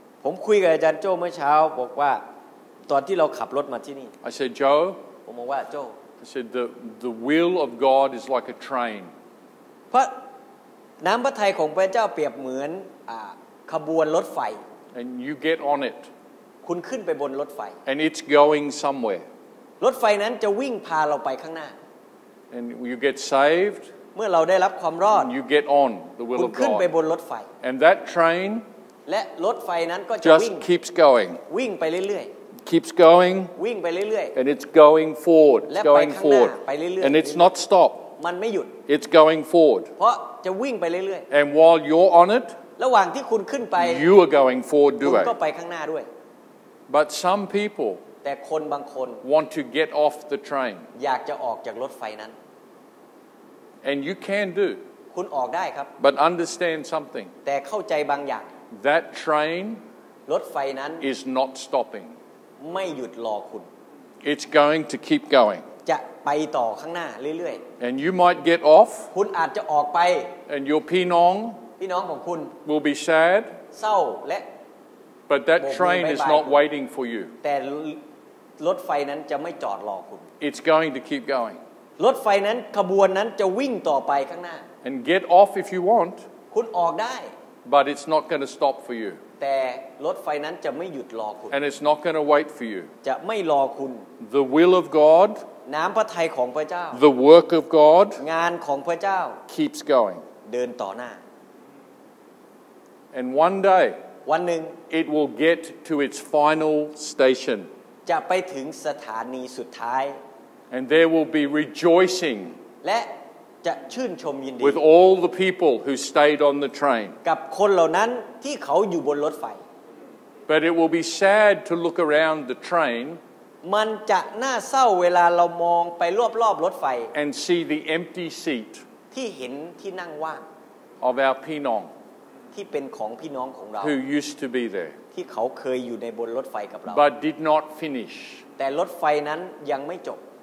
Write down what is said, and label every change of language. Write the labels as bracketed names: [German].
[Thai] ผมคุยกับอาจารย์โจ้เมื่อเช้าบอกว่าตอนที่เราขับรถมาที่นี่ [English] I said Joe. [Thai] ผมบอกว่าโจ้ [English] I said the will of God is like a train. [Thai] เพราะน้ำพระทัยของพระเจ้าเปรียบเหมือนขบวนรถไฟ [English] And you get on it. [Thai] คุณขึ้นไปบนรถไฟ [English] And it's going somewhere. [Thai] รถไฟนั้นจะวิ่งพาเราไปข้างหน้า [English] And you get saved. [Thai] เมื่อเราได้รับความรอด [English] And you get on the will of God. [Thai] คุณขึ้นไปบนรถไฟ [English] And that train. [Thai] และรถไฟนั้นก็จะ [English] just keeps going. [Thai] วิ่งไปเรื่อยๆ [English] Keeps going, [Thai] วิ่งไปเรื่อย [English] ๆ and it's going forward, [Thai] และไปข้างหน้าไปเรื่อยๆ [English] and it's not stop. [Thai] มันไม่หยุด [English] it's going forward. [Thai] เพราะจะวิ่งไปเรื่อย [English] ๆ and while you're on it, [Thai] ระหว่างที่คุณขึ้นไป [English] you are going forward [Thai] ด้วย คุณก็ไปข้างหน้าด้วย [English] but some people, [Thai] แต่คนบางคน [English] want to get off the train. [Thai] อยากจะออกจากรถไฟนั้น [English] and you can do. [Thai] คุณออกได้ครับ [English] but understand something. [Thai] แต่เข้าใจบางอย่าง [English] that train, [Thai] รถไฟนั้น [English] is not stopping. [Thai] ไม่หยุดรอคุณ [English] It's going to keep going [Thai] จะไปต่อข้างหน้าเรื่อย [English] ๆ And you might get off [Thai] คุณอาจจะออกไป [English] And your พี่น้อง [Thai] พี่น้องของคุณ [English] will be sad [Thai] เศร้าและ [English] But that train is not waiting for you [Thai] แต่รถไฟนั้นจะไม่จอดรอคุณ [English] It's going to keep going [Thai] รถไฟนั้นขบวนนั้นจะวิ่งต่อไปข้างหน้า [English] And get off if you want [Thai] คุณออกได้ [English] But it's not going to stop for you [Thai] แต่รถไฟนั้นจะไม่หยุดรอคุณ [English] And it's not going to wait for you [Thai] จะไม่รอคุณ [English] The will of God [Thai] น้ำพระทัยของพระเจ้า [English] The work of God [Thai] งานของพระเจ้า [English] keeps going [Thai] เดินต่อหน้า [English] And one day [Thai] วันหนึ่ง [English] it will get to its final station [Thai] จะไปถึงสถานีสุดท้าย [English] And there will be rejoicing [Thai] และจะชื่นชมยินดี [English] With all the people who stayed on the train [Thai] กับคนเหล่านั้นที่เขาอยู่บนรถไฟ [English] But it will be sad to look around the train [Thai] มันจะน่าเศร้าเวลาเรามองไปรอบๆรถไฟ [English] And see the empty seat [Thai] ที่เห็นที่นั่งว่าง [English] Of our พี่น้อง [Thai] ที่เป็นของพี่น้องของเรา [English] Who used to be there [Thai] ที่เขาเคยอยู่ในบนรถไฟกับเรา [English] But did not finish [Thai] แต่รถไฟนั้นยังไม่จบ